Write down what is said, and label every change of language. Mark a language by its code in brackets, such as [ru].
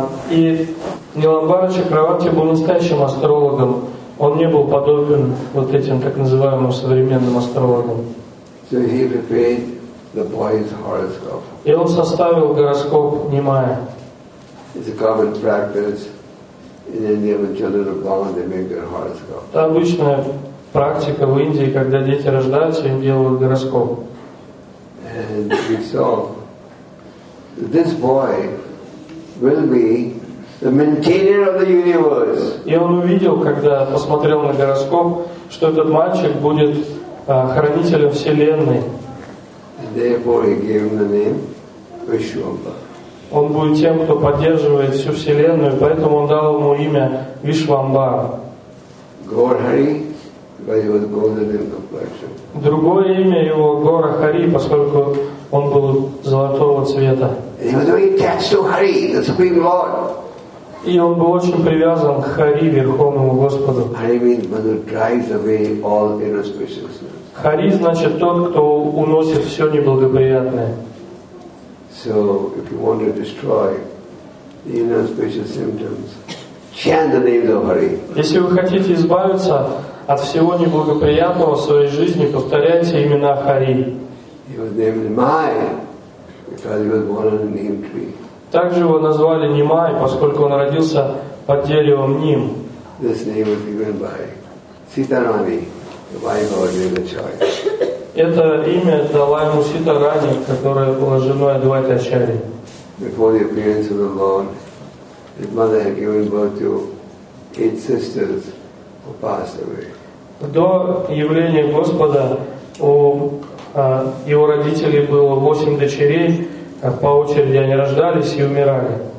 [ru] И Niladhara Chakravarti был настоящим астрологом. Он не был подобен вот этим так называемым современным астрологам. [en] So he prepared the boy's horoscope. [ru] И он составил гороскоп Немая. [en] It's a common practice in India when children are born, they make their horoscope. [ru] Это обычная практика в Индии, когда дети рождаются, им делают гороскоп. [en] And we saw this boy will be the maintainer of the universe. [ru] И он увидел, когда посмотрел на гороскоп, что этот мальчик будет хранителем вселенной. [en] And therefore he gave him the name Vishwamba. [ru] Он будет тем, кто поддерживает всю вселенную, поэтому он дал ему имя Вишвамбара. [en] Горхари, because he was golden in complexion. [ru] Другое имя его — Горахари, поскольку он был золотого цвета. [en] And he was very attached to Hari, the Supreme Lord. [ru] И он был очень привязан к Хари, Верховному Господу. [en] Hari means who drives away all inauspiciousness. [ru] Хари значит тот, кто уносит все неблагоприятное. [en] So if you want to destroy the inauspicious symptoms, chant the name of Hari. [ru] Если вы хотите избавиться от всего неблагоприятного в своей жизни, повторяйте имена Хари. [en] He was named Nimai because he was born on a neem tree. [ru] Также его назвали Немай, поскольку он родился под деревом Ним. [en] This name was given by Sitarani, the wife of Advaita Acharya. [ru] Это имя дала ему Сита Рани, которая была женой Адвайты Ачарьи. [en] Before the appearance of the Lord, his mother had given birth to 8 sisters who passed away. [ru] До явления Господа у его родителей было 8 дочерей. По очереди они рождались и умирали.